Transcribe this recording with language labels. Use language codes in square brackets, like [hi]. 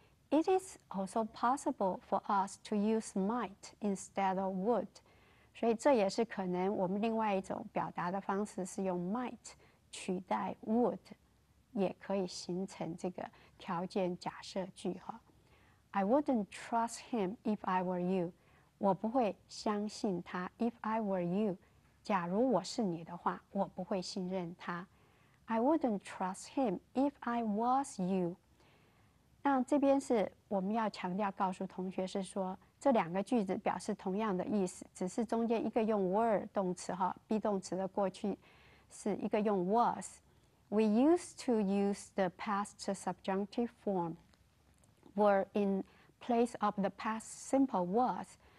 [en] It is also possible for us to use might instead of would， [zh] 所以这也是可能我们另外一种表达的方式，是用 might 取代 would， 也可以形成这个条件假设句。 [en] I wouldn't trust him if I were you， [zh] 我不会相信他。 [en] If I were you， [zh] 假如我是你的话，我不会信任他。 [en] I wouldn't trust him if I was you。 [zh] 那这边是我们要强调告诉同学，是说这两个句子表示同样的意思，只是中间一个用 were 动词 be 动词的过去，是一个用 was。 [en] We used to use the past subjunctive form were in place of the past simple was。